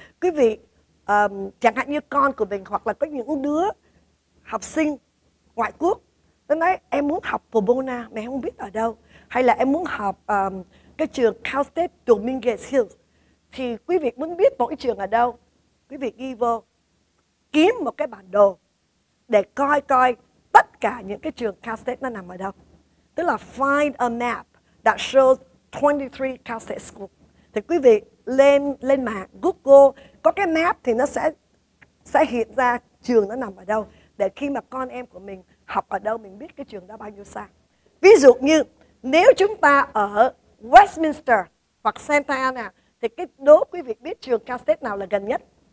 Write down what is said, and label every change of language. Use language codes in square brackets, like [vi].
[vi] Quý vị, chẳng hạn như con của mình hoặc là có những đứa học sinh ngoại quốc, nó nói em muốn học Pomona, mẹ không biết ở đâu. Hay là em muốn học cái trường Cal State Dominguez Hills. Thì quý vị muốn biết mỗi trường ở đâu, quý vị ghi vô, kiếm một cái bản đồ để coi coi tất cả những cái trường Cal State nó nằm ở đâu. Tức là [en] find a map that shows 23 Cal State schools. [vi] Thì quý vị lên mạng Google, có cái map thì nó sẽ hiện ra trường nó nằm ở đâu. Để khi mà con em của mình học ở đâu, mình biết cái trường đó bao nhiêu xa. Ví dụ như nếu chúng ta ở Westminster hoặc Santa Ana, thì cái đố quý vị biết trường Cal State nào là gần nhất?